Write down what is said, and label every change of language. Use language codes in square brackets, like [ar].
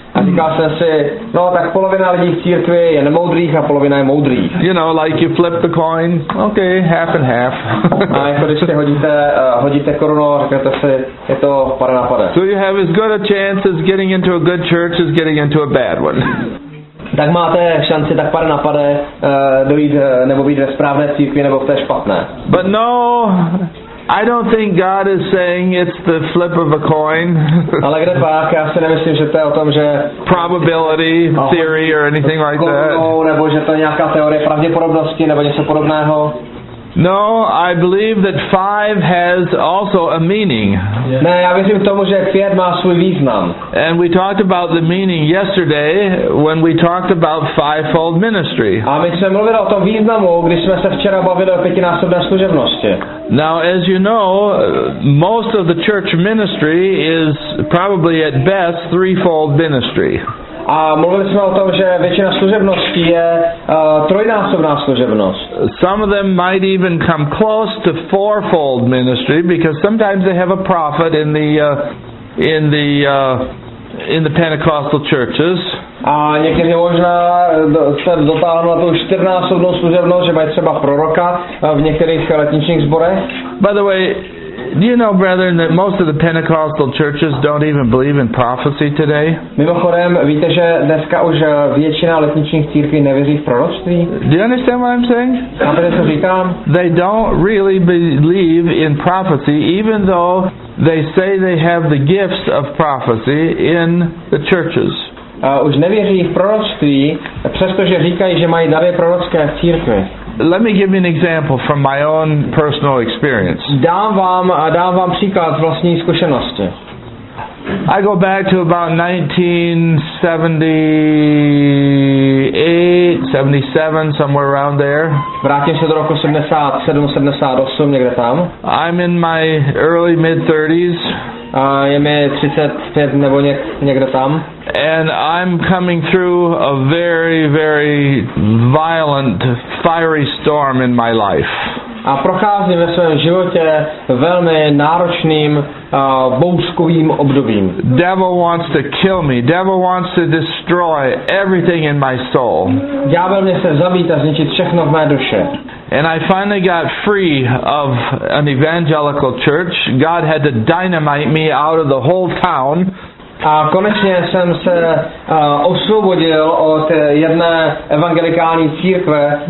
[cs] A říkal jsem si, no tak polovina lidí v církvi je nemoudrých a polovina je moudrých. [en] You know, like you flip the coin, okay, half and half. [cs] A jako když si hodíte korunu, řeknete si, je to pare na pare. [en] So you have as good a chance as getting into a good church as getting into a bad one. [cs] Tak máte šanci tak pare na pare dojít nebo být ve správné církvi nebo v té špatné. [en] But no, I don't think God is saying it's the flip of a coin. [cs] Ale kde pak, já si nemyslím, že to je o tom, že [en] probability, theory, or anything like that. [cs] Nebo že to je nějaká teorie pravděpodobnosti, nebo něco podobného. [en] No, I believe that five has also a meaning. [cs] Ne, já věřím tomu, že pět má svůj význam. [en] And we talked about the meaning yesterday when we talked about fivefold ministry. [cs] A my jsme mluvili o tom významu, když jsme se včera bavili o pětinásobné služebnosti. [en] Now, as you know, most of the church ministry is probably at best threefold ministry. [cs] A mluvili jsme o tom, že většina služebností je trojnásobná služebnost. [en] Some of them might even come close to fourfold ministry because sometimes they have a prophet in the Pentecostal churches. [cs] A někteří možná se dotáhnou na tu čtyřnásobnou služebnost, že mají třeba proroka v některých letničních sborech. [en] By the way, do you know, brethren, that most of the Pentecostal churches don't even believe in prophecy today? [cs] Mimochodem, víte, že dneska už většina letničních církví nevěří v proroctví? [en] Do you understand what I'm saying? [cs] Chápete, co říkám? [en] They don't really believe in prophecy, even though they say they have the gifts of prophecy in the churches. [cs] Už nevěří v proroctví, přestože říkají, že mají dary prorocké v církvi. [en] Let me give you an example from my own personal experience. [cs] Dám vám příklad z vlastní zkušenosti. [en] I go back to about 1978, 77, somewhere around there. [cs] Vrátím se do roku 77, 78, někde tam. [en] I'm in my early mid-30s. [cs] Je mi 35 nebo někde tam. [en] And I'm coming through a very, very violent, fiery storm in my life. [cs] A procházím ve svém životě velmi náročným bouřkovým obdobím. [en] Devil wants to kill me. Devil wants to destroy everything in my soul. [cs] Ďábel mě chce zabít a zničit všechno v mé duši. [en] And I finally got free of an evangelical church. God had to dynamite me out of the whole town. [cs] A konečně jsem se osvobodil od jedné evangelikální církve.